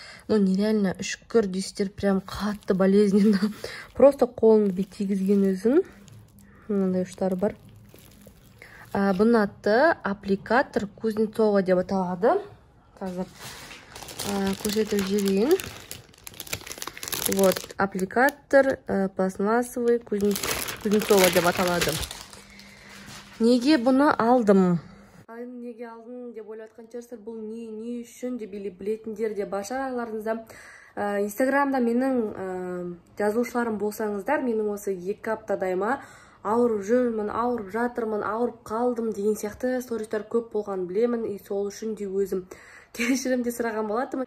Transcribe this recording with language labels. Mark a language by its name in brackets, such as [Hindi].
[Kazakh] Но нереально, шүкір дейсіздер, прям қатты болезнен. Просто қолым бет тигізген өзін. Мынандай ұштары бар. Бұны аты аппликатор Кузнецова деп аталады. Қазір көрсетіп жіберейін. [Russian] Вот аппликатор пластмассовый Кузнецова деп аталады. [Kazakh] Неге бұны алдым? Неге алдым деп ойлаткан шығарсыздар, бұл не үшін деп или білетіндер де баршаларыңызда. Инстаграмда менің жазылушыларым болсаңыздар, менің осы екі аптадай ма ауырып жүрмін, ауырып жатырмын, ауырып қалдым деген сияқты стористер көп болған білемін, и сол үшін де өзім кешірім де сұраған болатынмын.